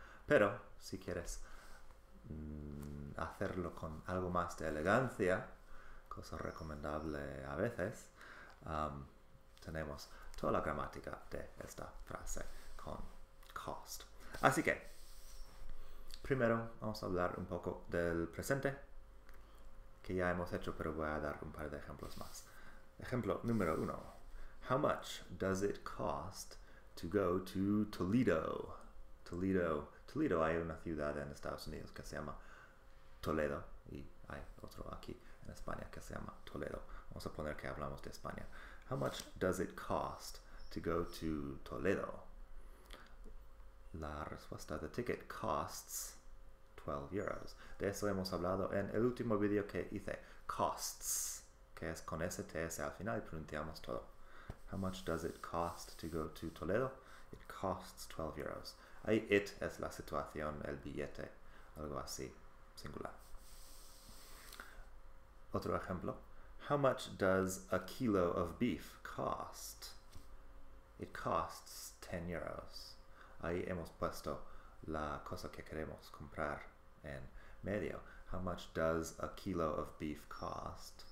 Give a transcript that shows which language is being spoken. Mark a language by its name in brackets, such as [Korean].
[Spanish] Pero si quieres hacerlo con algo más de elegancia, cosa recomendable a veces, tenemos toda la gramática de esta frase con cost. Así que, primero vamos a hablar un poco del presente, que ya hemos hecho, pero voy a dar un par de ejemplos más. Ejemplo número uno. [English] How much does it cost to go to Toledo? Toledo. [Spanish] Toledo, hay una ciudad en Estados Unidos que se llama Toledo y hay otro aquí en España que se llama Toledo. Vamos a poner que hablamos de España. [English] How much does it cost to go to Toledo? [Spanish] La respuesta, [English] the ticket costs 12 euros. [Spanish] De eso hemos hablado en el último video que hice. Costs. Que es con STS al final y pronunciamos todo. [English] How much does it cost to go to Toledo? It costs 12 euros. [Spanish] Ahí it es la situación, el billete, algo así, singular. Otro ejemplo. [English] How much does a kilo of beef cost? It costs 10 euros. [Spanish] Ahí hemos puesto la cosa que queremos comprar en medio. [English] How much does a kilo of beef cost?